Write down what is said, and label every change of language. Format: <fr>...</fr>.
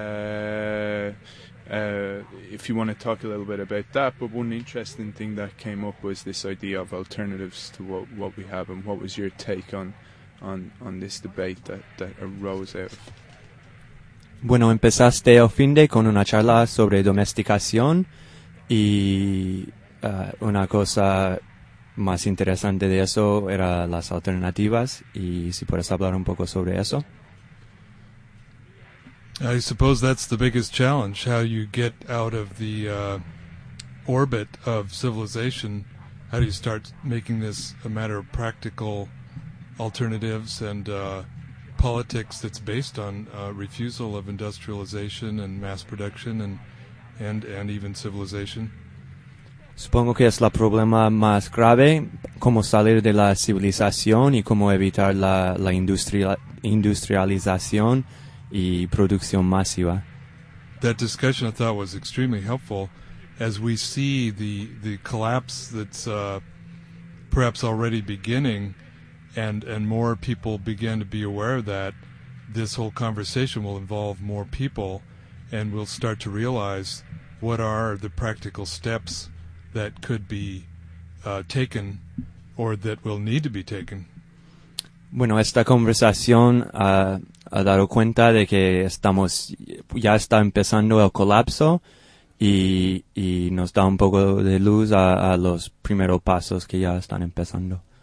<en>If you want to talk a little bit about that, but one interesting thing that came up was this idea of alternatives to what we have, and what was your take on this debate that arose out of?</en> <es>Bueno, empezaste el fin de con una charla sobre domesticación y una cosa más interesante de eso era las alternativas, y si puedes hablar un poco sobre eso.</es> <en>I suppose that's the biggest challenge, how you get out of the orbit of civilization. How do you start making this a matter of practical alternatives and politics that's based on refusal of industrialization and mass production and even civilization?</en> <es>Supongo que es el problema más grave, cómo salir de la civilización y cómo evitar la industrialización y producción masiva.</es> <en>That discussion, I thought, was extremely helpful. As we see the collapse that's perhaps already beginning, and more people begin to be aware of that, this whole conversation will involve more people, and we'll start to realize what are the practical steps that could be taken or that will need to be taken.</en> <es>Bueno, esta conversación ha dado cuenta de que estamos ya está empezando el colapso y nos da un poco de luz a los primeros pasos que ya están empezando.</es>